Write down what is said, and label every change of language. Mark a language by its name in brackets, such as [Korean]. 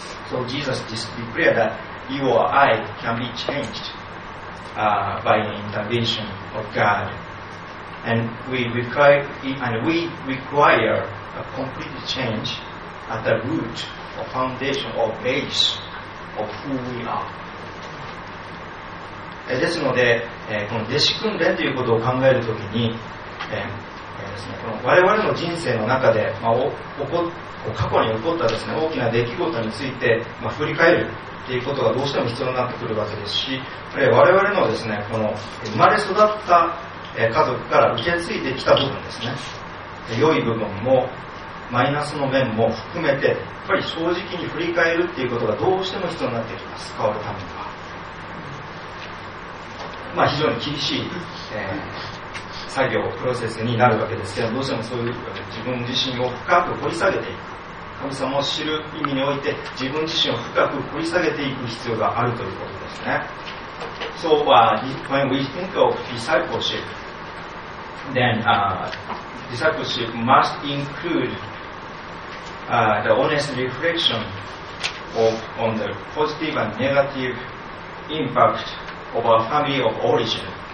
[English] So Jesus declared that you or I can be changed by the intervention of God. And we require a complete change at the root or foundation or base of who we are. [Japanese] ですので、この弟子訓練ということを考えるときに、ですね、この我々の人生の中で、まあ、過去に起こったですね、大きな出来事について、まあ、振り返るということがどうしても必要になってくるわけですし、あるいは我々のですね、この生まれ育った家族から受け継いできた部分ですね、良い部分もマイナスの面も含めて、やっぱり正直に振り返るということがどうしても必要になってきます。変わるためには、まあ、非常に厳しい、作業プロセスになるわけですけど、どうしてもそういう自分自身を深く掘り下げていく、神様を知る意味において自分自身を深く掘り下げていく必要があるということですね。 [English] So when we think of discipleship, then discipleship must include the honest reflection on the positive and negative impactof our family of origin.